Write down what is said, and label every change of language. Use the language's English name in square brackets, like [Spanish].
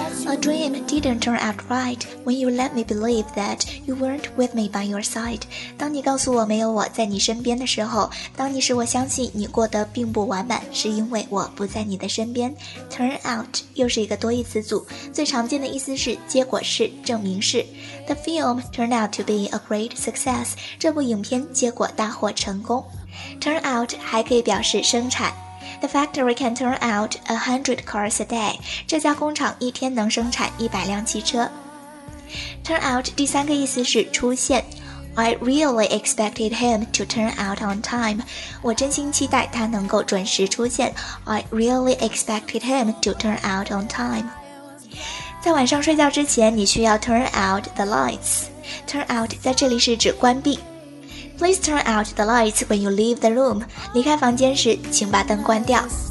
[English] A dream didn't turn out right when you let me believe that you weren't with me by your side. [Chinese] 当你告诉我没有我在你身边的时候，当你使我相信你过得并不完满，是因为我不在你的身边。 Turn out 又是一个多义词组，最常见的意思是结果是、证明是。 [English] The film turned out to be a great success. [Chinese] 这部影片结果大获成功。Turn out 还可以表示生产。 [English] The factory can turn out 100 cars a day. [Chinese] 这家工厂一天能生产100辆汽车。Turn out 第三个意思是出现。 [English] I really expected him to turn out on time. [Chinese] 我真心期待他能够准时出现。 [English] I really expected him to turn out on time. [Chinese] 在晚上睡觉之前，你需要 [English] turn out the lights. [Chinese] Turn out 在这里是指关闭。 [English] Please turn out the lights when you leave the room. [Chinese] 离开房间时，请把灯关掉。